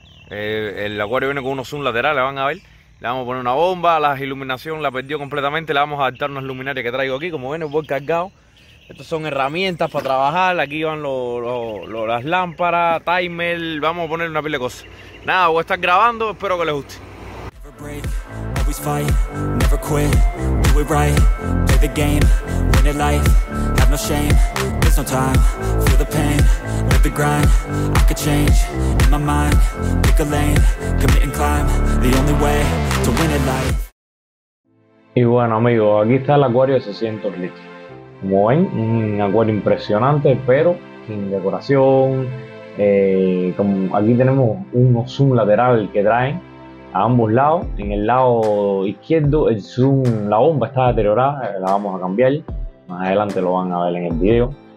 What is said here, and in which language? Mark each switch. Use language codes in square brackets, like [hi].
[es] El acuario viene con unos zoom laterales, van a ver. Le vamos a poner una bomba, la iluminación la perdió completamente, le vamos a adaptar unas luminarias que traigo aquí, como ven, voy cargado. Estas son herramientas para trabajar, aquí van las lámparas, timer, vamos a poner una pila de cosas. Nada, voy a estar grabando, espero que les guste. [en] Never break, always fight, never quit, do it right, play the game, win it life, have no shame, there's no time, feel the pain, live the grind, I could change, in my mind, pick a lane, commit and climb, the only way to win it life. [es] Y bueno amigos, aquí está el acuario de 600 litros. Como ven, un acuario impresionante, pero sin decoración. Como aquí tenemos un zoom lateral que traen a ambos lados. En el lado izquierdo el zoom, la bomba está deteriorada, la vamos a cambiar, más adelante lo van a ver en el video.